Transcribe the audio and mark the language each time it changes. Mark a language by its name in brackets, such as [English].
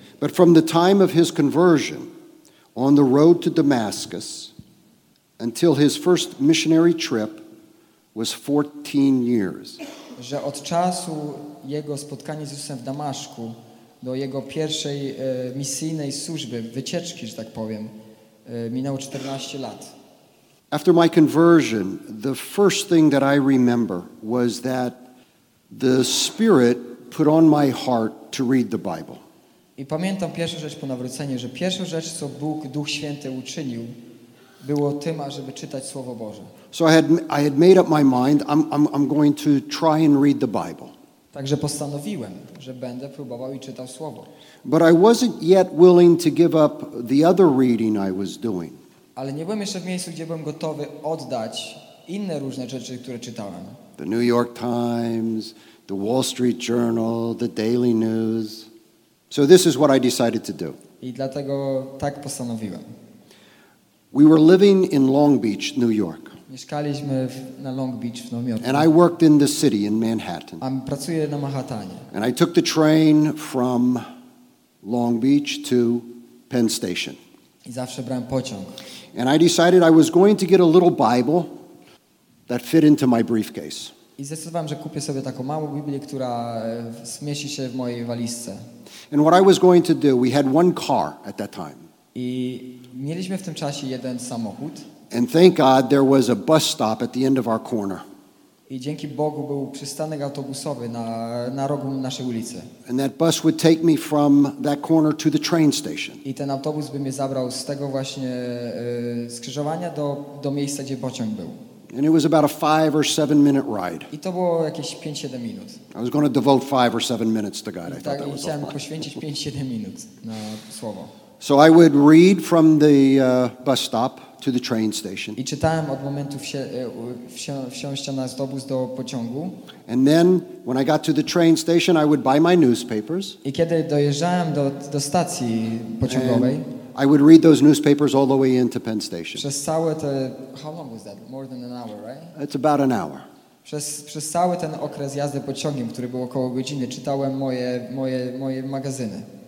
[English] But from the time of his conversion on the road to Damascus until his first missionary trip was 14 years. [Polish] Że od czasu jego spotkania z Jezusem w Damaszku do jego pierwszej misyjnej służby, wycieczki, że tak powiem, minęło 14 lat. [English] After my conversion, the first thing that I remember was that the Spirit put on my heart to read the Bible. [Polish] I pamiętam pierwszą rzecz po nawróceniu, że pierwszą rzecz, co Bóg, Duch Święty uczynił, było tym, ażeby czytać Słowo Boże. [English] So I had made up my mind, I'm going to try and read the Bible. [Polish] Także postanowiłem, że będę próbował i czytał Słowo. [English] But I wasn't yet willing to give up the other reading I was doing. [Polish] Ale nie byłem jeszcze w miejscu, gdzie byłem gotowy oddać inne różne rzeczy, które czytałem. [English] The New York Times, the Wall Street Journal, the Daily News. So this is what I decided to do. [Polish] I dlatego tak postanowiłem. [English] We were living in Long Beach, New York. [Polish] Mieszkaliśmy na Long Beach w Nowym Jorku. [English] And I worked in the city in Manhattan. [Polish] A pracuję na Manhattanie. [English] And I took the train from Long Beach to Penn Station. [Polish] I zawsze brałem pociąg. [English] And I decided I was going to get a little Bible that fit into my briefcase. [Polish] I zdecydowałem, że kupię sobie taką małą Biblię, która zmieści się w mojej walizce. [English] And what I was going to do, we had one car at that time. [Polish] I mieliśmy w tym czasie jeden samochód. [English] And thank God there was a bus stop at the end of our corner. [Polish] I dzięki Bogu był przystanek autobusowy na rogu naszej ulicy. [English] And that bus would take me from that corner to the train station. [Polish] I ten autobus by mnie zabrał z tego właśnie skrzyżowania do miejsca, gdzie pociąg był. [English] And it was about a 5 or 7 minute ride. [Polish] I to było jakieś 5-7 minut. [English] I was going to devote 5 or 7 minutes to God. I thought that was [Polish] chciałem poświęcić 5-7 minut na słowo. [English] So I would read from the bus stop to the train station. [Polish] I czytałem od momentu wsiąścia na autobus do pociągu. [English] And then when I got to the train station, I would buy my newspapers. [Polish] I kiedy dojeżdżałem do stacji pociągowej, [English] I would read those newspapers all the way into Penn Station. [Polish] Przez całe to, [English] how long was that? More than an hour, right? It's about an hour. [Polish] Przez cały ten okres jazdy pociągiem, który był około godziny, czytałem moje magazyny.